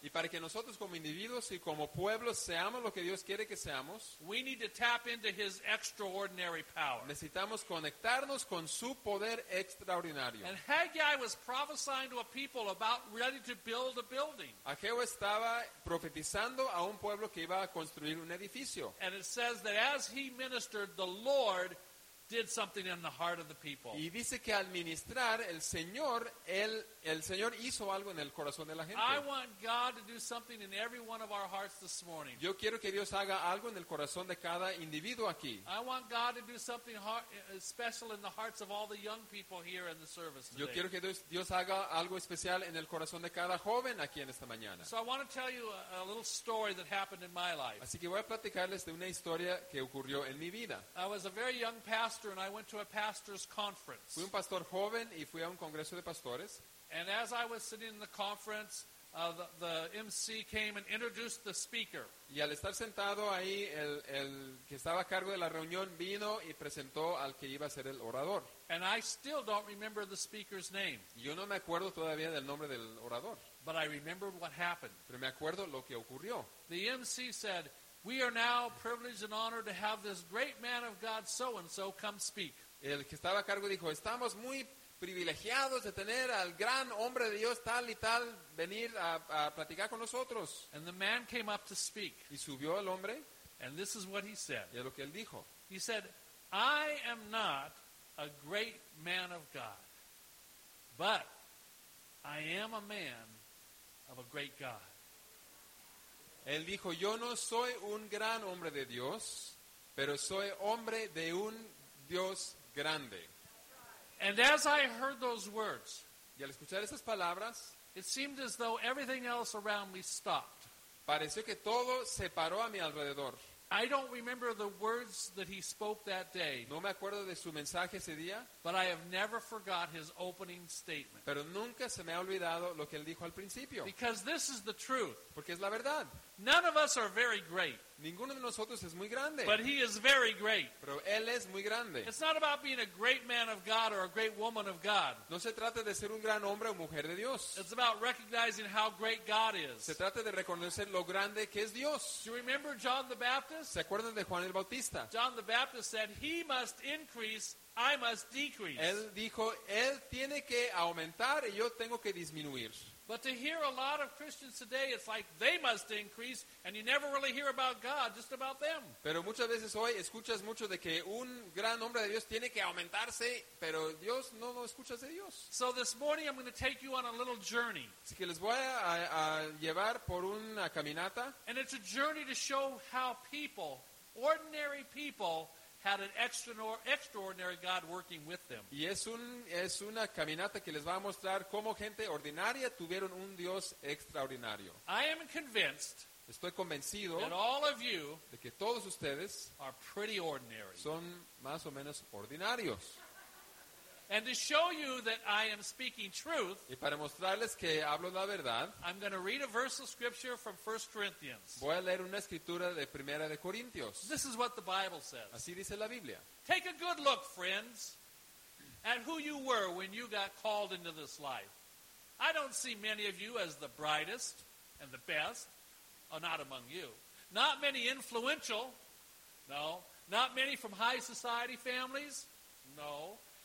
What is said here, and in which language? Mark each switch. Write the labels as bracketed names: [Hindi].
[Spanish] y para que nosotros como individuos y como pueblo seamos lo que Dios quiere que seamos, [English] we need to tap into his extraordinary power. [Spanish] Necesitamos conectarnos con su poder extraordinario. [English] And Haggai was prophesying to a people about ready to build a building. [Spanish] Ageo estaba profetizando a un pueblo que iba a construir un edificio. [English] And it says that as he ministered, the Lord did something in the heart of the people. [Spanish] Y dice que al ministrar el Señor hizo algo en el corazón de la gente. [English] I want God to do something in every one of our hearts this morning. [Spanish] Yo quiero que Dios haga algo en el corazón de cada individuo aquí. [English] I want God to do something special in the hearts of all the young people here in the service today. [Spanish] Yo quiero que Dios haga algo especial en el corazón de cada joven aquí en esta mañana. [English] So I want to tell you a little story that happened in my life. [Spanish] Así que voy a platicarles de una historia que ocurrió en mi vida. [English] I was a very young pastor and I went to a pastor's conference. [Spanish] Fui un pastor joven y fui a un congreso de pastores. [English] And as I was sitting in the conference, the MC came and introduced the speaker. [Spanish] Y al estar sentado ahí, el que estaba a cargo de la reunión vino y presentó al que iba a ser el orador. [English] And I still don't remember the speaker's name. [Spanish] Yo no me acuerdo todavía del nombre del orador. [English] But I remembered what happened. [Spanish] Pero me acuerdo lo que ocurrió. [English] The MC said, "We are now privileged and honored to have this great man of God, so and so, come speak." [Spanish] El que estaba a cargo dijo, "Estamos muy privilegiados de tener al gran hombre de Dios tal y tal venir a platicar con nosotros." [English] And the man came up to speak. [Spanish] Y subió el hombre. [English] And this is what he said. [Spanish] Y es lo que él dijo. [English] He said, I am not a great man of God, but I am a man of a great God. [Spanish] Él dijo, yo no soy un gran hombre de Dios, pero soy hombre de un Dios grande. [English] And as I heard those words, [Spanish] y al escuchar esas palabras, [English] it seemed as though everything else around me stopped. [Spanish] Pareció que todo se paró a mi alrededor. [English] I don't remember the words that he spoke that day. [Spanish] No me acuerdo de su mensaje ese día. [English] But I have never forgot his opening statement. [Spanish] Pero nunca se me ha olvidado lo que él dijo al principio. [English] Because this is the truth. [Spanish] Porque es la verdad. [English] None of us are very great. [Spanish] Ninguno de nosotros es muy grande. [English] But he is very great. [Spanish] Pero él es muy grande. [English] It's not about being a great man of God or a great woman of God. [Spanish] No se trata de ser un gran hombre o mujer de Dios. [English] It's about recognizing how great God is. [Spanish] Se trata de reconocer lo grande que es Dios. [English] Do you remember John the Baptist? [Spanish] ¿Se acuerdan de Juan el Bautista? [English] John the Baptist said, he must increase, I must decrease. [Spanish] Él dijo, él tiene que aumentar y yo tengo que disminuir. [English] But to hear a lot of Christians today, it's like they must increase, and you never really hear about God, just about them. [Spanish] Pero muchas veces hoy escuchas mucho de que un gran hombre de Dios tiene que aumentarse, pero Dios no lo escuchas de Dios. [English] So this morning I'm going to take you on a little journey. [Spanish] Así que les voy a llevar por una caminata. [English] And it's a journey to show how people, ordinary people, had an extraordinary God working with them. [Spanish] Y es una caminata que les va a mostrar cómo gente ordinaria tuvieron un Dios extraordinario. [English] I am convinced. [Spanish] Estoy convencido. [English] That all of you. [Spanish] De que todos ustedes. [English] Are pretty ordinary. [Spanish] Son más o menos ordinarios. [English] And to show you that I am speaking truth. [Spanish] Y para mostrarles que hablo la verdad. [English] I'm going to read a verse of scripture from 1 Corinthians. [Spanish] Voy a leer una escritura de Primera de Corintios. [English] This is what the Bible says. [Spanish] Así dice la Biblia. [English] Take a good look, friends, at who you were when you got called into this life. I don't see many of you as the brightest and the best. Oh, not among you. Not many influential. No. Not many from high society families. No.